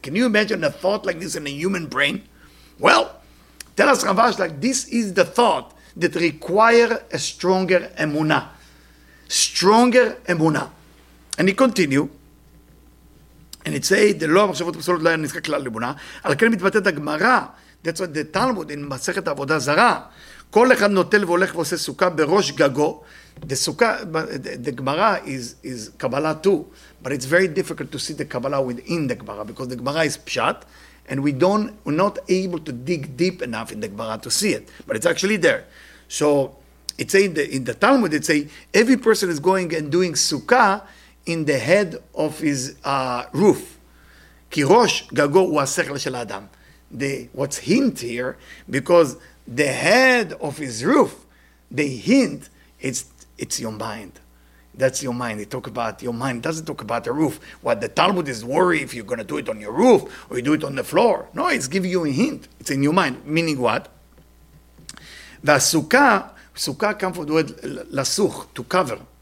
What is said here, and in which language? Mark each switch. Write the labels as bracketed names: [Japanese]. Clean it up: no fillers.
[English] Can you imagine a thought like this in a human brain? Well, tell us, Ravash, like this is the thought that requires a stronger emunah. Stronger emunah. And he continued. And it says, the law of the law is not a law. That's what the Talmud in Masechet Avodah Zarah. [Hebrew] כל אחד נוטל והולך ועושה סוכה בראש גגו. [English] The סוכה, the Gemara is Kabbalah too. But it's very difficult to see the Kabbalah within the Gemara because the Gemara is Pshat and we're not able to dig deep enough in the Gemara to see it. But it's actually there. So it's saying in the Talmud, it says, every person is going and doing סוכה in the head of his roof. [Hebrew] כי ראש גגו הוא השכל של האדם. [English] What's hint here, because the head of his roof, they hint, it's your mind. That's your mind. They talk about your mind. It doesn't talk about the roof. What the Talmud is worried if you're going to do it on your roof or you do it on the floor. No, it's giving you a hint. It's in your mind. Meaning what? The sukkah comes from the word lasuch, to cover.